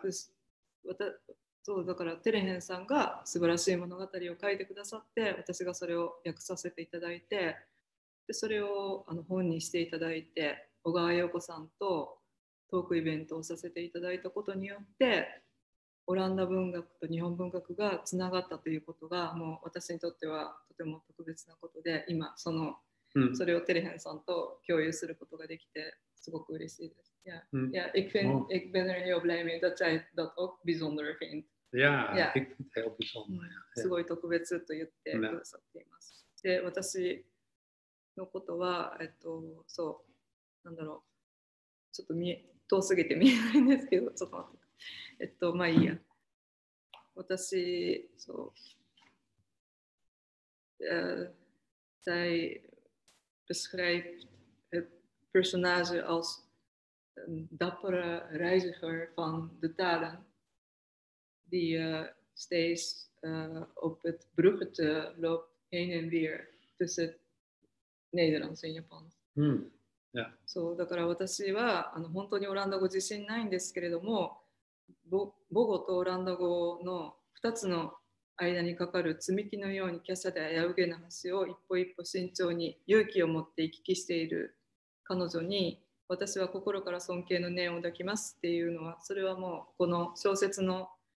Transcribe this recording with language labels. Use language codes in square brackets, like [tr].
[ja] Dus, そうだからテレヘンさんが素晴らしい物語を書いてくださって、私がそれを訳させていただいて、でそれを本にしていただいて小川陽子さんとトークイベントをさせていただいたことによってオランダ文学と日本文学がつながったということがもう私にとってはとても特別なことで今その、それをテレヘンさんと共有することができてすごく嬉しいです。いや、いや、 [nl] ik ben er heel blij mee dat jij dat ook bijzonder vindt。 Ja, ik vind het heel bijzonder。 [ja] すごい特別と言ってくださっています。で、私のことは、そう、なんだろう、ちょっと見え遠すぎて見えないんですけど、ちょっと待って、まあいいや、私、そう、 [nl] zij beschrijft het personage als een dappere reiziger van de talen, die steeds op het bruggetje loopt heen en weer tussen Nederlands en Japans. [ja] そうだから私は本当にオランダ語自信ないんですけれども母語とオランダ語の2つの間にかかる積み木のように華奢で危うげな橋を一歩一歩慎重に勇気を持って行き来している彼女に私は心から尊敬の念を抱きますっていうのはそれはもうこの小説の